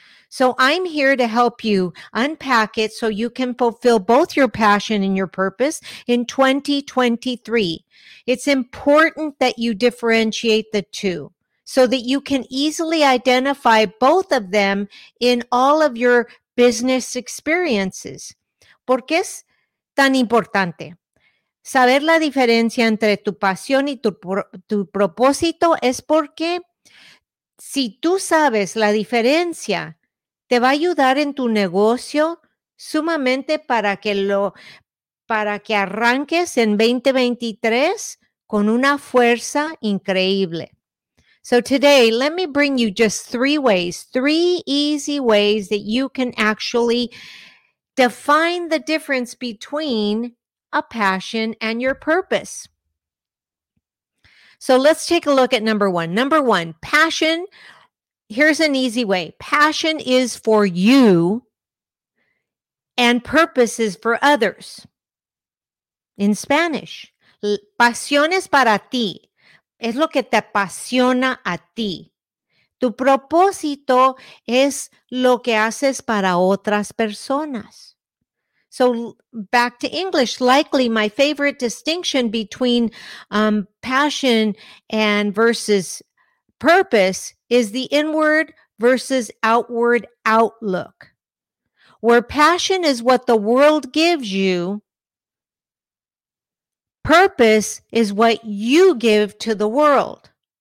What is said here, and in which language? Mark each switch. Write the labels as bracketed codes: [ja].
[en] So I'm here to help you unpack it so you can fulfill both your passion and your purpose in 2023. It's important that you differentiate the two so that you can easily identify both of them in all of your business experiences. [es] ¿Por qué es tan importante? Saber la diferencia entre tu pasión y tu propósito es porque si tú sabes la diferencia, te va a ayudar en tu negocio sumamente para que arranques en 2023 con una fuerza increíble. [en] So today, let me bring you just three easy ways that you can actually define the difference between a passion and your purpose. So let's take a look at number one. Number one, passion. Here's an easy way. Passion is for you and purpose is for others. In Spanish, [es] pasión es para ti. Es lo que te apasiona a ti. Tu propósito es lo que haces para otras personas. [en] So back to English, likely my favorite distinction between passion and versus purpose is the inward versus outward outlook. Where passion is what the world gives you, purpose is what you give to the world.